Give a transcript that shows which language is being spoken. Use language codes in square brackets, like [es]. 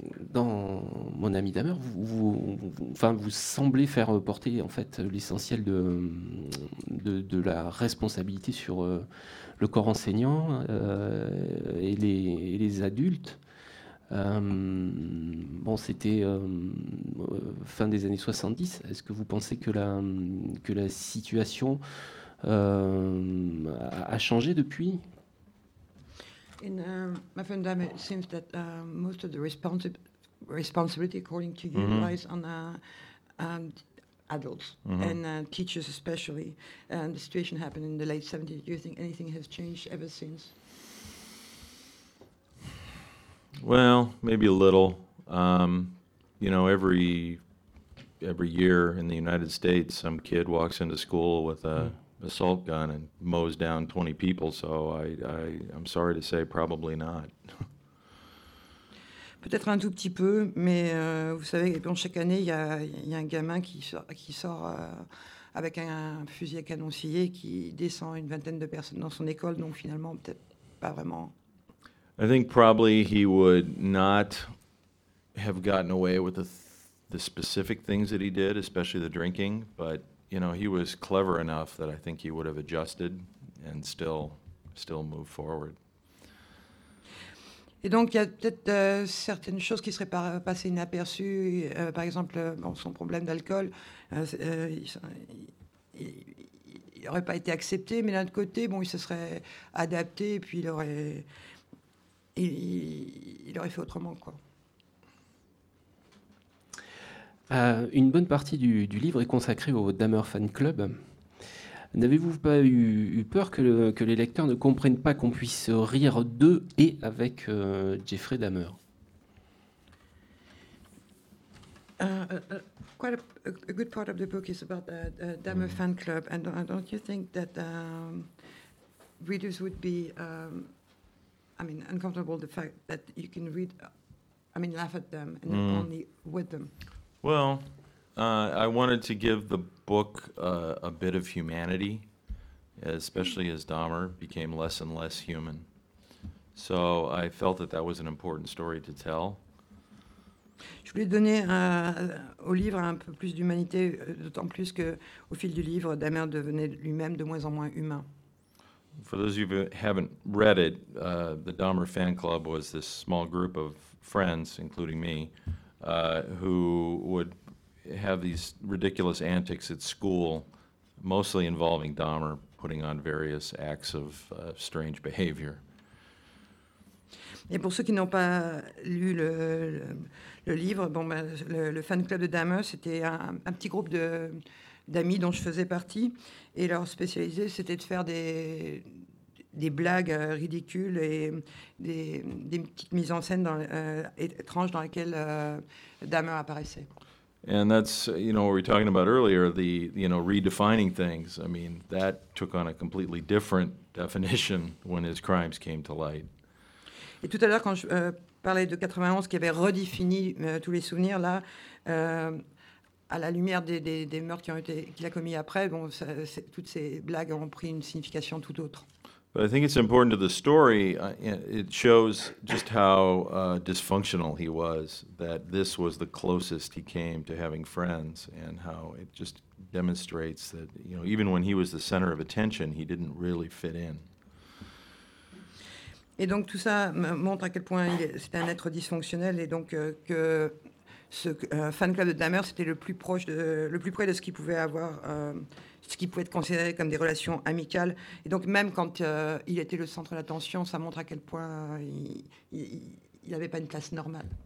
[fr] Dans Mon ami d'amour, vous semblez faire porter en fait l'essentiel de la responsabilité sur le corps enseignant et les adultes. Bon, c'était fin des années 70. Est-ce que vous pensez que la situation a changé depuis? [en] In my friend, it seems that most of the responsibility, according to you, lies on adults and teachers especially. And the situation happened in the late 70s. Do you think anything has changed ever since? Well, maybe a little. You know, every year in the United States, some kid walks into school with a assault gun and mows down 20 people, so I'm sorry to say, probably not. [fr] Peut-être un tout petit peu, mais vous savez, chaque année, il y a un gamin qui sort avec un fusil à canon scié qui descend une vingtaine de personnes dans son école, donc finalement, peut-être pas vraiment. [en] I think probably he would not have gotten away with the specific things that he did, especially the drinking, but you know, he was clever enough that I think he would have adjusted and still move forward. [fr] Et donc il y a peut-être certaines choses qui seraient passées inaperçues, par exemple son problème d'alcool, il aurait pas été accepté, mais d'un autre côté, bon, il se serait adapté et puis il aurait fait autrement, quoi. Une bonne partie du livre est consacrée au Dahmer Fan Club. N'avez-vous pas eu peur que les lecteurs ne comprennent pas qu'on puisse rire de et avec Jeffrey Dahmer? [en] Quite a good part of the book is about the Dahmer Fan Club, and don't you think that readers would be, uncomfortable the fact that you can read, laugh at them and only with them? Well, I wanted to give the book a bit of humanity, especially as Dahmer became less and less human. So I felt that was an important story to tell. [fr] Je voulais donner au livre un peu plus d'humanité, d'autant plus que au fil du livre, Dahmer devenait lui-même de moins en moins humain. [en] For those of you who haven't read it, the Dahmer fan club was this small group of friends, including me, who would have these ridiculous antics at school, mostly involving Dahmer putting on various acts of strange behavior. [fr] Et pour ceux qui n'ont pas lu le livre, bon, ben, le fan club de Dahmer, c'était un petit groupe d'amis dont je faisais partie, et leur spécialité, c'était de faire des blagues ridicules et des petites mises en scène étranges dans lesquelles Dahmer apparaissait. [en] And that's, you know, what we were talking about earlier, the, you know, redefining things. I mean, that took on a completely different definition when his crimes came to light. [fr] Et tout à l'heure, quand je parlais de 91, qui avait redéfini tous les souvenirs, là, à la lumière des meurtres qu'il a commis après, bon, toutes ces blagues ont pris une signification tout autre. [en] But I think it's important to the story. It shows just how dysfunctional he was, that this was the closest he came to having friends, and how it just demonstrates that, you know, even when he was the center of attention, he didn't really fit in. [fr] Et donc tout ça montre à quel point c'était un être dysfonctionnel, et donc que ce fan club de Dahmer, c'était le plus près de ce qu'il pouvait avoir. Ce qui pouvait être considéré comme des relations amicales. Et donc, même quand il était le centre d'attention, ça montre à quel point il n'avait pas une place normale.